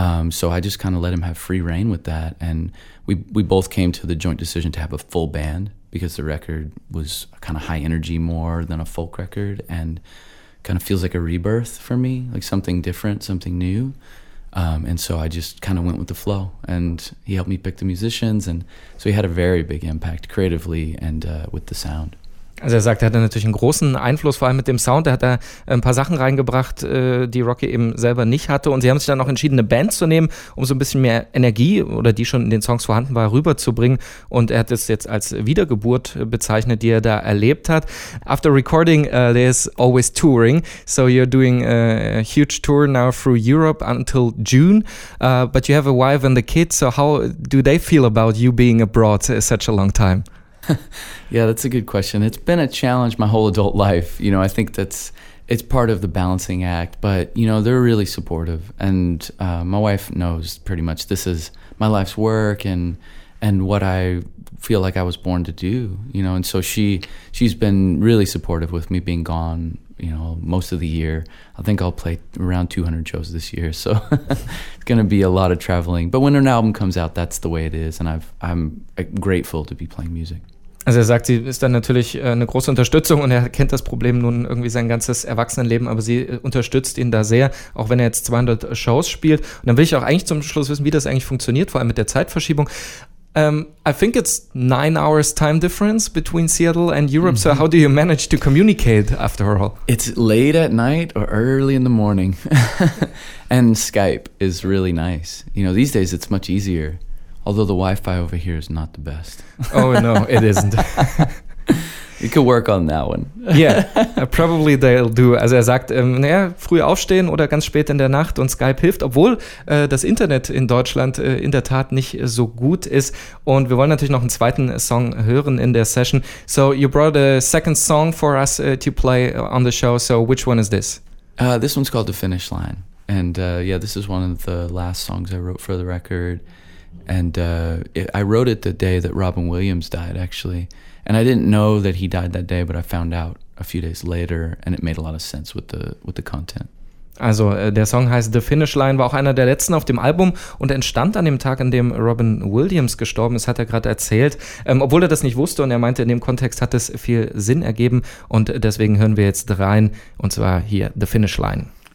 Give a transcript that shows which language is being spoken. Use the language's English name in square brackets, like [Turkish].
[English] So I just kind of let him have free rein with that. And we both came to the joint decision to have a full band because the record was kind of high energy more than a folk record and kind of feels like a rebirth for me, like something different, something new. And so I just kind of went with the flow and he helped me pick the musicians. And so he had a very big impact creatively and with the sound. [German] Also er sagt, er hatte natürlich einen großen Einfluss, vor allem mit dem Sound. Er hat da ein paar Sachen reingebracht, die Rocky eben selber nicht hatte. Und sie haben sich dann auch entschieden, eine Band zu nehmen, um so ein bisschen mehr Energie, oder die schon in den Songs vorhanden war, rüberzubringen. Und er hat es jetzt als Wiedergeburt bezeichnet, die er da erlebt hat. [English] After recording, there's always touring. So you're doing a huge tour now through Europe until June. But you have a wife and a kid. So how do they feel about you being abroad such a long time? Yeah, that's a good question. It's been a challenge my whole adult life. You know, I think that's, it's part of the balancing act, but you know, they're really supportive. And my wife knows pretty much this is my life's work and what I feel like I was born to do, you know? And so she's been really supportive with me being gone, you know, most of the year. I think I'll play around 200 shows this year. So it's going to be a lot of traveling. But when an album comes out, that's the way it is. And I'm grateful to be playing music. [German] Also er sagt, sie ist dann natürlich eine große Unterstützung und er kennt das Problem nun irgendwie sein ganzes Erwachsenenleben, aber sie unterstützt ihn da sehr, auch wenn er jetzt 200 Shows spielt. Und dann will ich auch eigentlich zum Schluss wissen, wie das eigentlich funktioniert, vor allem mit der Zeitverschiebung. [English] I think it's 9 hours time difference between Seattle and Europe. Mm-hmm. So how do you manage to communicate after all? It's late at night or early in the morning. And Skype is really nice. You know, these days it's much easier. Although the Wi-Fi over here is not the best. Oh, no, it isn't. You could work on that one. Yeah, probably they'll do. [German] Also er sagt, naja, früh aufstehen oder ganz spät in der Nacht und Skype hilft, obwohl das Internet in Deutschland in der Tat nicht so gut ist. Und wir wollen natürlich noch einen zweiten Song hören in der Session. [English] So you brought a second song for us to play on the show. So which one is this? This one's called The Finish Line. And yeah, this is one of the last songs I wrote for the record. And I wrote it the day that Robin Williams died, actually. And I didn't know that he died that day, but I found out a few days later, and it made a lot of sense with the content. [German] Also, der Song heißt The Finish Line, war auch einer der letzten auf dem Album und entstand an dem Tag, an dem Robin Williams gestorben ist, hat er gerade erzählt, obwohl er das nicht wusste und er meinte, in dem Kontext hat es viel Sinn ergeben. Und deswegen hören wir jetzt rein, und zwar hier The Finish Line.